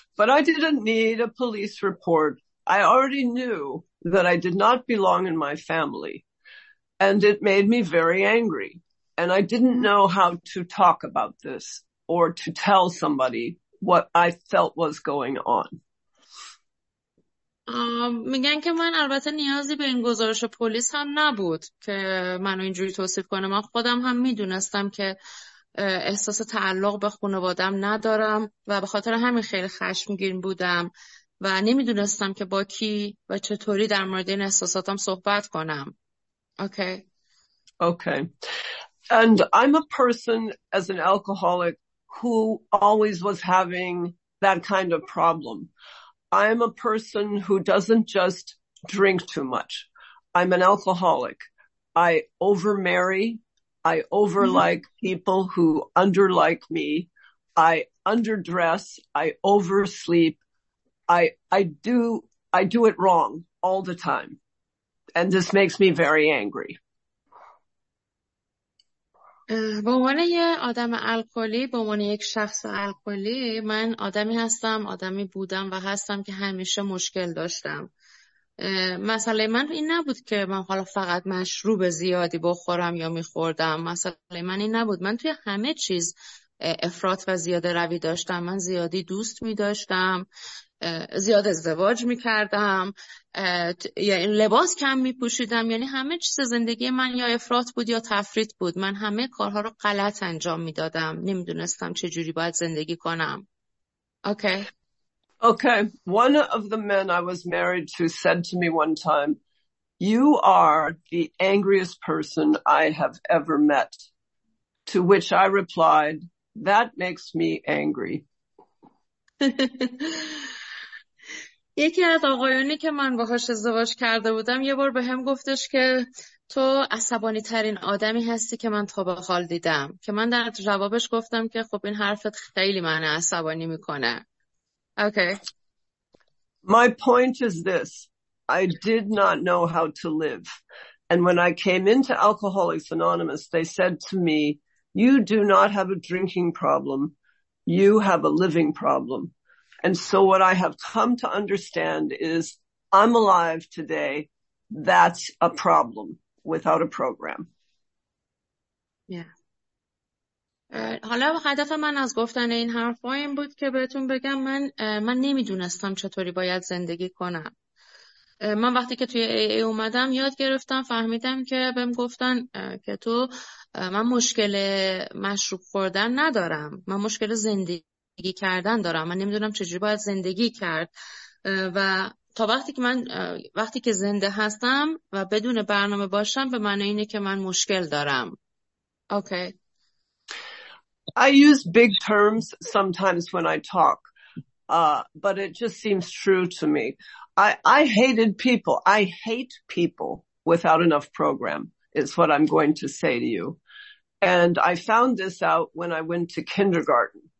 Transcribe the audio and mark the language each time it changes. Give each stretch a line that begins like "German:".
English: But I didn't need a police report. I already knew that I did not belong in my family. And it made me very angry. And I didn't know how to talk about this or to tell somebody what I felt was going on.
Persian: میگن که من البته نیازی به این گزارش پلیس هم نبود که منو اینجوری توصیف کنه. من خودم هم میدونستم که احساس تعلق به خانوادم ندارم و به خاطر همین خیلی خشمگین بودم و نمیدونستم که با کی و چطوری در مورد این احساساتم صحبت کنم. اوکی. اوکی.
English: And I'm a person as an alcoholic who always was having that kind of problem. I'm a person who doesn't just drink too much. I'm an alcoholic. I overmarry. I overlike people who underlike me. I underdress. I oversleep. I do it wrong all the time. And this makes me very angry.
Persian: به عنوان یه آدم الکلی، به عنوان یک شخص الکلی، من آدمی هستم، آدمی بودم و هستم که همیشه مشکل داشتم. مسئله من این نبود که من حالا فقط مشروب زیادی بخورم یا میخوردم. مسئله من این نبود. من توی همه چیز افراط و زیاده روی داشتم. من زیادی دوست میداشتم، زیاد ازدواج میکردم، یعنی لباس کم میپوشیدم، یعنی همه چیز زندگی من یا افراط بود یا تفریط بود. من همه کارها رو غلط انجام میدادم، نمیدونستم چه جوری باید زندگی کنم. اوکی.
English: Okay. One of the men I was married to said to me one time, "You are the angriest person I have ever met." To which I replied, "That makes me angry."
Persian: یکی از آقایونی که من باهاش ازدواج کرده بودم یه بار به هم گفتش که تو عصبانی ترین آدمی هستی که من تا به حال دیدم، که من در جوابش گفتم که خب این حرفت خیلی من عصبانی میکنه. اوکی.
English: My point is this. I did not know how to live. And when I came into Alcoholics Anonymous, they said to me, "You do not have a drinking problem. You have a living problem." And so what I have come to understand is I'm alive today. That's a problem without a program. Yeah.
Persian: حالا هدف من از گفتن این حرفا این بود که بهتون بگم من نمیدونستم چطوری باید زندگی کنم. من وقتی که توی AA اومدم یاد گرفتم، فهمیدم که بهم گفتن که تو من مشکل مشروب خوردن ندارم، من مشکل زندگی کردن دارم، من نمیدونم چجوری باید زندگی کرد. و تا وقتی که زنده هستم و بدون برنامه باشم، به معنی اینه که من مشکل دارم. اوکی.
English: I use big terms sometimes when I talk, but it just seems true to me. I hated people. I hate people without enough program is what I'm going to say to you. And I found this out when I went to kindergarten.